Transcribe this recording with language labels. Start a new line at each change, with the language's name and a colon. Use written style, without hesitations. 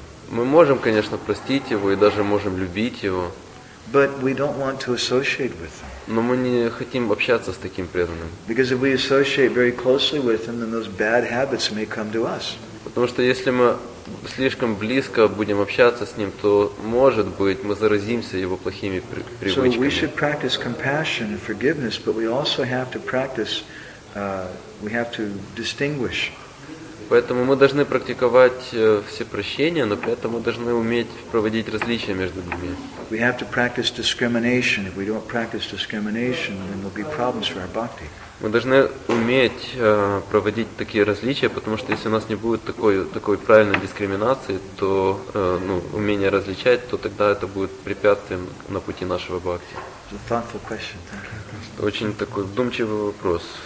Russian: Мы можем, конечно, простить его и даже можем любить его.
English: But we don't want to associate with him.
Russian: Но мы не хотим общаться с таким преданным.
English: Because if we associate very closely with him, then those bad habits may come to us.
Russian: Потому что если мы слишком близко будем общаться с ним, то может быть мы заразимся его плохими привычками.
English: So we should practice compassion and forgiveness, but we also have to practice we have to distinguish.
Russian: Поэтому мы должны практиковать все прощения, но при этом мы должны уметь проводить различия между ними.
English: We have to practice discrimination. If we don't practice discrimination, then there'll be problems for our bhakti.
Russian: Мы должны уметь проводить такие различия, потому что если у нас не будет такой правильной дискриминации, то умение различать, то тогда это будет препятствием на пути нашего бхакти.
English: It's a thoughtful question.
Russian: Очень такой вдумчивый вопрос.